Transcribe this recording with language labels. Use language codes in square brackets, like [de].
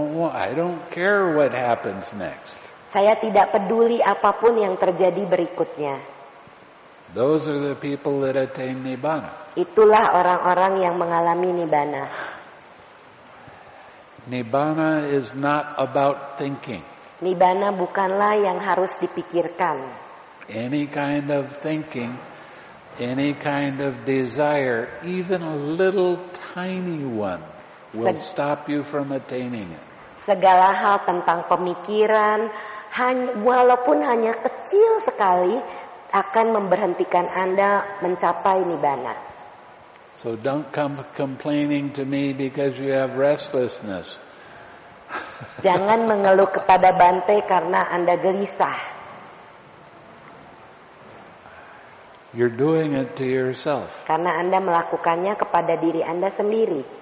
[en] I don't care what happens next. [id] Saya tidak peduli apapun yang terjadi berikutnya. [en] Those are the people that attain Nibbana. [id] Itulah orang-orang yang mengalami Nibbana. [en] Nibbana is not about thinking. [id] Nibbana bukanlah yang harus dipikirkan. [en] Any kind of thinking, any kind of desire, even a little tiny one, will stop you from attaining it. [id] Segala hal tentang pemikiran, walaupun hanya kecil sekali, akan memberhentikan Anda mencapai Nibbana. [en] So don't come complaining to me because you have restlessness. [id] Jangan mengeluh kepada Bante karena Anda gelisah. [en] You're doing it to yourself. [id] Karena Anda melakukannya kepada diri Anda sendiri.